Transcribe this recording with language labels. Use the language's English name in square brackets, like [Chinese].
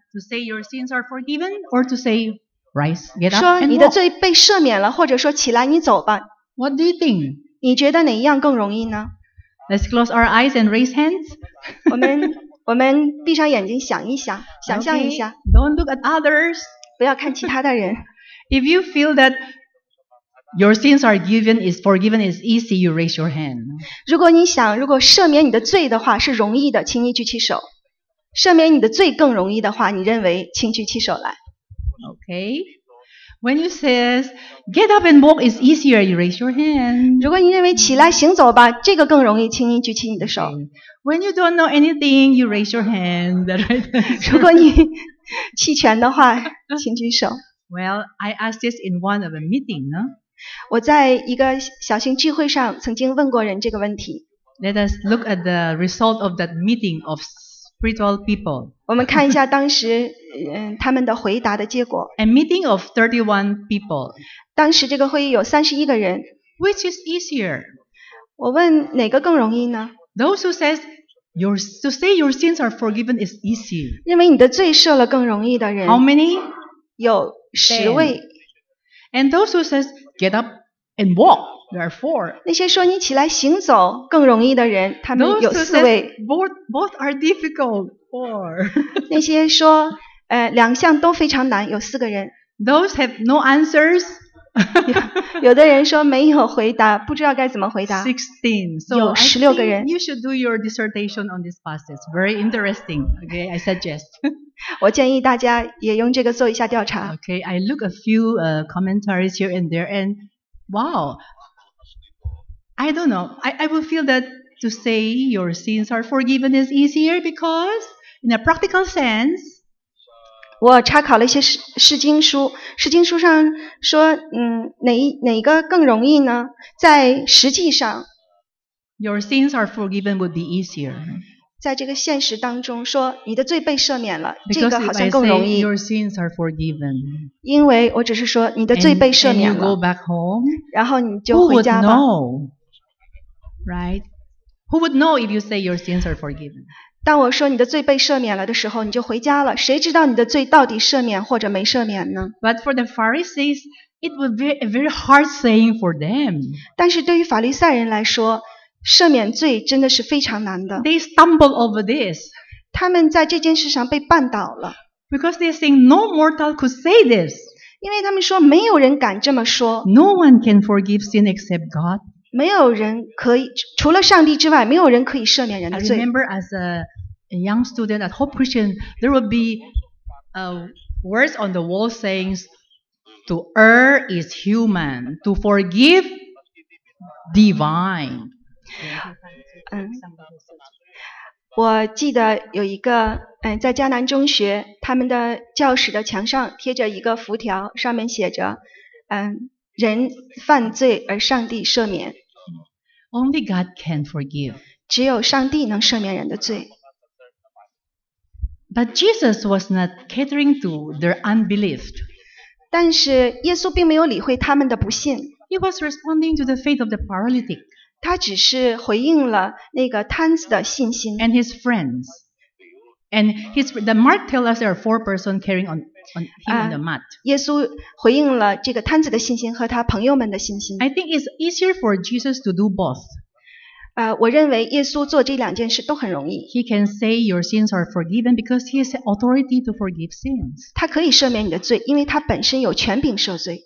[English] To say your sins are forgiven or to say rise, get up and walk. [Chinese] 说你的罪被赦免了，或者说起来你走吧。 [English] What do you think? [Chinese] 你觉得哪一样更容易呢？ [English] Let's close our eyes and raise hands. [Chinese] 我们我们闭上眼睛想一想，想象一下。 [English] Okay, don't look at others. [Chinese] 不要看其他的人。 [English] If you feel that your sins are given, is forgiven, is easy, you raise your hand. [Chinese] 如果你想，如果赦免你的罪的话是容易的，请你举起手。赦免你的罪更容易的话，你认为，请举起手来。 [English] Okay. When you says get up and walk is easier, you raise your hand. [Chinese] 如果你认为起来行走吧，这个更容易，请你举起你的手。 [English] Okay. When you don't know anything, you raise your hand. That's right. [Chinese] 如果你弃权的话，请举手。 [English] Well, I asked this in one of a meeting, no? [Chinese] 我在一个小型聚会上曾经问过人这个问题。 [English] Let us look at the result of that meeting of. Spiritual people. [Chinese] 我们看一下当时，他们的回答的结果。 [English] A meeting of 31 people. [Chinese] 当时这个会议有31个人。 [English] Which is easier? [Chinese] 我问哪个更容易呢？ [English] Those who says your to say your sins are forgiven is easy. [Chinese] 认为你的罪赦了更容易的人。 [English] How many? [Chinese] 有十位。 [English] And those who says get up and walk. There are four. [Chinese] 那些说你起来行走更容易的人，他们有四位。 [English] Both are difficult. Four. [Chinese] 那些说，两项都非常难，有四个人。 [English] Those have no answers. [Chinese] 有的人说没有回答，不知道该怎么回答。 [English] 16. So [Chinese] 有十六个人。 [English] I think you should do your dissertation on this passage. Very interesting. Okay, I suggest. [Chinese] 我建议大家也用这个做一下调查。 [English] Okay, I look a few commentaries here and there, and wow. I don't know. I will feel that to say your sins are forgiven is easier because, in a practical sense, [Chinese] 我查考了一些释经书，释经书上说，哪个更容易呢？在实际上 [English] ，your sins are forgiven would be easier. [Chinese] 在这个现实当中说，你的罪被赦免了， [English] because、 [Chinese] 这个好像更容易。 [English] Your sins are forgiven. [Chinese] 因为我只是说你的罪被赦免了。 [English] And you go back home. [Chinese] 然后你就回家吧。 [English] Who would know? Right? Who would know if you say your sins are forgiven? [Chinese] 当我说你的罪被赦免了的时候，你就回家了。谁知道你的罪到底赦免或者没赦免呢？ [English] But for the Pharisees, it would be a very hard saying for them. [Chinese] 但是对于法利赛人来说，赦免罪真的是非常难的。 [English] They stumble over this. [Chinese] 他们在这件事上被绊倒了。 [English] Because they think no mortal could say this. [Chinese] 因为他们说没有人敢这么说。 [English] No one can forgive sin except God. [Chinese] 没有人可以除了上帝之外，没有人可以赦免人的罪。 [English] I remember as a young student at Hope Christian, there would be words on the wall saying, "To err is human, to forgive divine." [Chinese] 我记得有一个在迦南中学，他们的教室的墙上贴着一个符条，上面写着，人犯罪而上帝赦免。 [English] Only God can forgive. [Chinese] 只有上帝能赦免人的罪。 [English] But Jesus was not catering to their unbelief. [Chinese] 但是耶稣并没有理会他们的不信。 [English] He was responding to the faith of the paralytic. [Chinese] 他只是回应了那个瘫子的信心。 [English] And his friends. And the Mark tells us there are four persons carrying on him on the mat. [Chinese] 耶稣回应了这个瘫子的信心和他朋友们的信心。 [English] I think it's easier for Jesus to do both. [Chinese] 我认为耶稣做这两件事都很容易。 [English] He can say your sins are forgiven because he has authority to forgive sins. [Chinese] 他可以赦免你的罪，因为他本身有权柄赦罪。